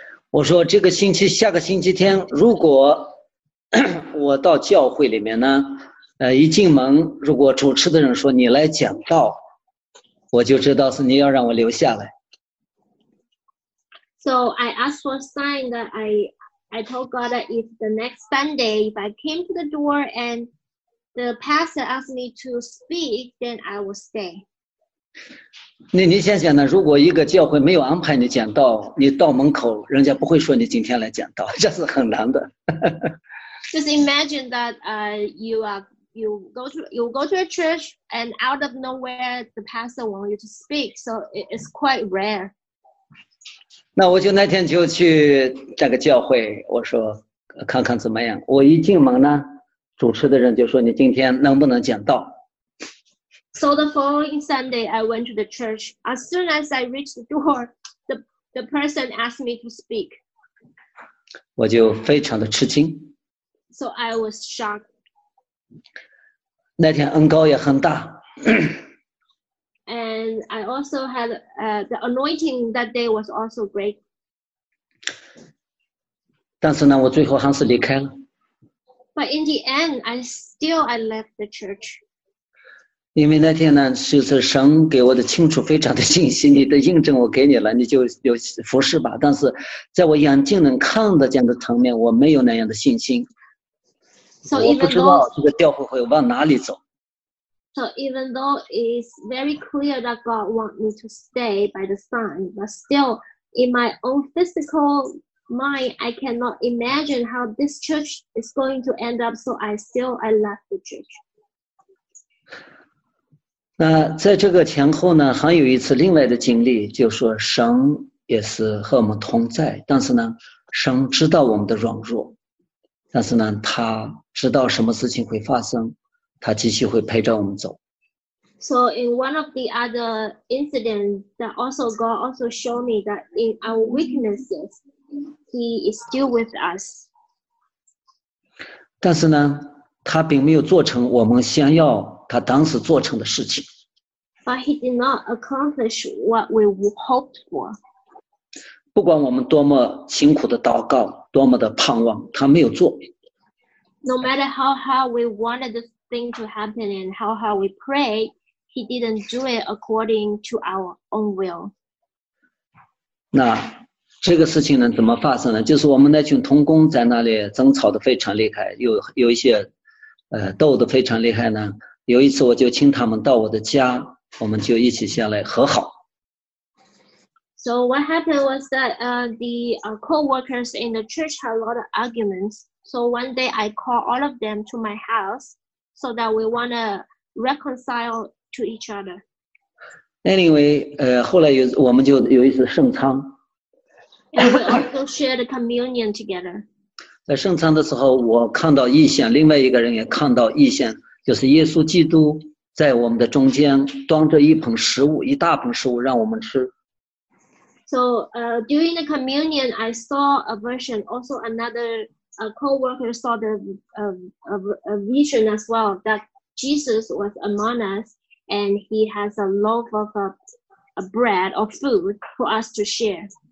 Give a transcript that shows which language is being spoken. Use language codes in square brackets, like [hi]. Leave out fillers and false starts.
[zh] 我说这个星期下个星期天如果我到教会里面呢，一进门，如果主持的人说你来讲道，我就知道是你要让我留下来。 [en] So I asked for a sign that I told God that if the next Sunday, if I came to the door and the pastor asked me to speak, then I will stay. [zh] 那你想想呢，如果一个教会没有安排你讲道，你到门口，人家不会说你今天来讲道，这是很难的。 [en] Just imagine that you go to a church and out of nowhere the pastor want you to speak, so it is quite rare. [zh] 那我就那天就去这个教会，我说看看怎么样。我一进门呢，主持的人就说你今天能不能讲道。 [en] So the following Sunday I went to the church. As soon as I reached the door, the person asked me to speak. [zh] 我就非常的吃惊。 [en] So I was shocked. [zh] 那天恩膏也很大。 [en] And I also had the anointing that day was also great. [zh] 但是呢，我最后还是离开了。 [en] But in the end, I left the church. [zh] 因为那天呢，就是神给我的清楚非常的信息，你的印证我给你了，你就有服事吧。但是在我眼睛能看得见的层面，我没有那样的信心。 [en] So even though, [zh] 我不知道这个教会会往哪里走。 [en] So even though it's very clear that God wants me to stay by the sign, but still in my own physical mind, I cannot imagine how this church is going to end up. So I left the church. [zh] 那在这个前后呢，还有一次另外的经历，就说神也是和我们同在，但是呢，神知道我们的软弱。但是呢，他知道什么事情会发生，他继续会陪着我们走。 [en] So in one of the other incidents, that also God also showed me that in our weaknesses, He is still with us. [zh] 但是呢，他并没有做成我们想要他当时做成的事情。 [en] But He did not accomplish what we hoped for. [zh] 不管我们多么辛苦的祷告，多么的盼望，他没有做。 [en] No matter how hard we wanted the thing to happen and how hard we prayed, he didn't do it according to our own will. [zh] 那这个事情呢，怎么发生呢？就是我们那群同工在那里争吵得非常厉害，有一些斗得非常厉害呢。有一次我就请他们到我的家，我们就一起下来和好。 [en] So what happened was that the co-workers in the church had a lot of arguments. So one day I called all of them to my house so that we want to reconcile to each other. [zh] Anyway, 后来我们就有一次圣餐。 [en] And we also shared the communion together. [zh] 在圣餐的时候，我看到异象，另外一个人也看到异象。就是耶稣基督在我们的中间端着一捧食物，一大捧食物让我们吃。 [en] So during the communion, I saw a vision. Also, another co-worker saw the a vision as well that Jesus was among us, and he has a loaf of a bread or food for us to share.